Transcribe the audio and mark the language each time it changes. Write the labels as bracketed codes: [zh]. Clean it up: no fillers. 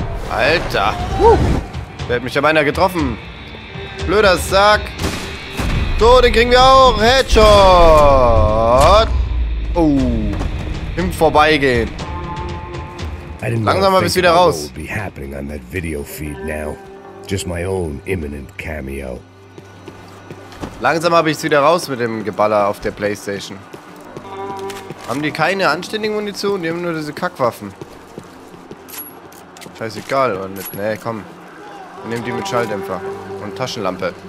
[de] Alter! Der hat mich ja beinahe getroffen! blöder Sack. So, den kriegen wir auch. Headshot. Oh, im Vorbeigehen. Langsamer bist wieder raus. [en] Be happening on that video feed now. Just my own imminent cameo. [de] Langsam habe ich es wieder raus mit dem Geballer auf der Playstation. Haben die keine anständigen Munition? Die haben nur diese Kackwaffen. Scheißegal, oder nicht? Nee, komm. Wir nehmen die mit Schalldämpfer. Und Taschenlampe.